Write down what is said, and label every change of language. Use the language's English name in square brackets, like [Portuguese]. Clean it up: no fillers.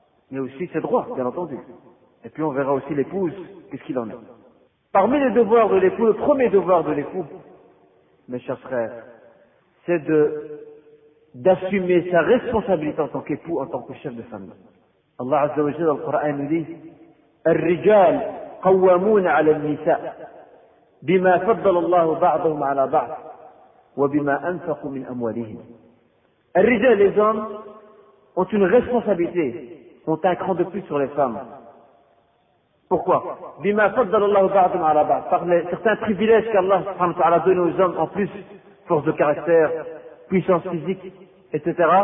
[French] Mais aussi ses droits, bien entendu. Et puis on verra aussi l'épouse, qu'est-ce qu'il en est. Parmi les devoirs de l'époux, le premier devoir de l'époux, mes chers frères, c'est d'assumer sa responsabilité en tant qu'époux, en tant que chef de famille. [Arabic] Allah Azza wa Jalla dans le Coran nous dit, الرجال قوامون على النساء بما فضل الله بعضهم على بعض وبما أنفقوا من أموالهم. [French] الرجال, les hommes, ont une responsabilité, ont un cran de plus sur les femmes. [Arabic] Pourquoi? بِمَا فَضَّلَ اللَّهُ بَعْضُمْ عَلَى بَعْضُ. [French] Par les certains privilèges qu'Allah subhanahu wa ta'ala a donné aux hommes, en plus, force de caractère, puissance physique, etc.